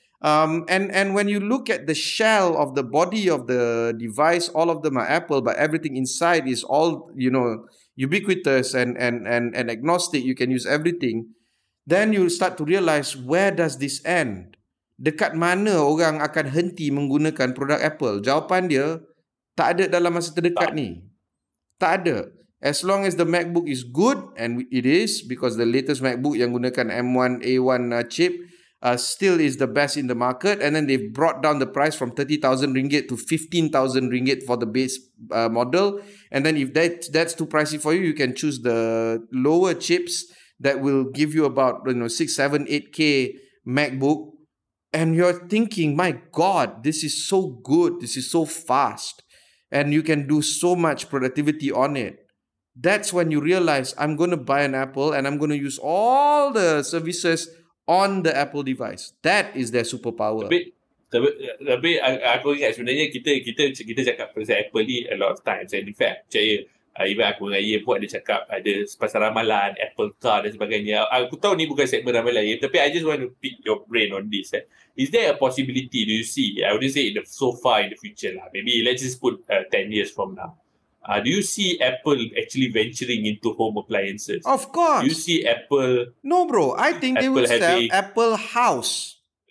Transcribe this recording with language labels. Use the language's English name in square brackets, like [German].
[English] And when you look at the shell of the body of the device, all of them are Apple, but everything inside is all, you know, ubiquitous and agnostic. You can use everything. Then you start to realize, where does this end? [Malay] Dekat mana orang akan henti menggunakan produk Apple? Jawapan dia, tak ada dalam masa terdekat ni. Tak ada. [English] As long as the MacBook is good, and it is, because the latest MacBook [Malay] yang gunakan [English] M1 A1 chip still is the best in the market, and then they've brought down the price from RM30,000 to RM15,000 for the base model, and then if that's too pricey for you, you can choose the lower chips that will give you about, you know, 6, 7, 8K MacBook, and you're thinking, my God, this is so good, this is so fast, and you can do so much productivity on it. That's when you realize, I'm going to buy an Apple and I'm going to use all the services on the Apple device. That is their superpower. [Malay] Tapi aku ingat sebenarnya kita cakap pasal Apple ni [English] a lot of times. And in fact, [Malay] percaya, even aku dengan Ian pun ada cakap ada pasal ramalan, Apple car dan sebagainya. Aku tahu ni bukan segmen ramalan, Ian, tapi [English] I just want to pick your brain on this. Is there a possibility, do you see? I wouldn't say so far in the future lah. Maybe let's just put 10 years from now. Do you see Apple actually venturing into home appliances? Of course. Do you see Apple... No, bro. I think Apple they will sell Apple House.